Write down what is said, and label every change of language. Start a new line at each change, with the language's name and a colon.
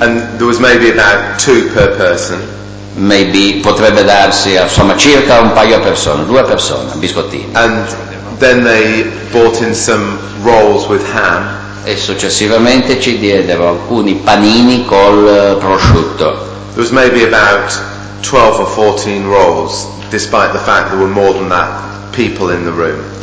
English: And there was maybe about two per person.
Italian: Maybe potrebbe darsi, insomma, circa un paio a persona, due persone, biscottini.
English: And then they bought in some rolls with ham.
Italian: E successivamente ci diedero alcuni panini col prosciutto.
English: There was maybe about 12 or 14 rolls, despite the fact there were more than that people in the room.